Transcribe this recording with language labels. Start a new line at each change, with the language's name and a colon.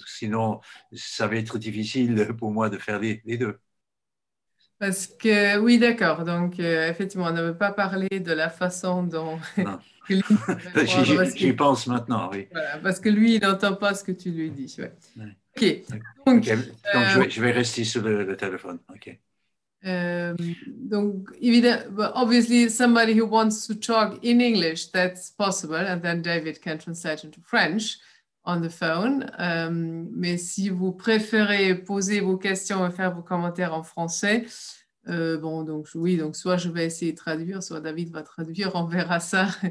French: Sinon, ça va être difficile pour moi de faire les deux. Parce que, oui, d'accord. Donc, effectivement, on ne veut pas parler de la façon dont... j'y pense maintenant, oui. Voilà, parce que lui, il n'entend pas ce que tu lui dis. Ouais. Ouais. OK. Donc, je vais rester sur le téléphone. OK.
English: Obviously, somebody who wants to talk in English, that's possible. And then David can translate into French on the phone.
French: Mais si vous préférez poser vos questions et faire vos commentaires en français, soit je vais essayer de traduire, soit David va traduire, on verra ça.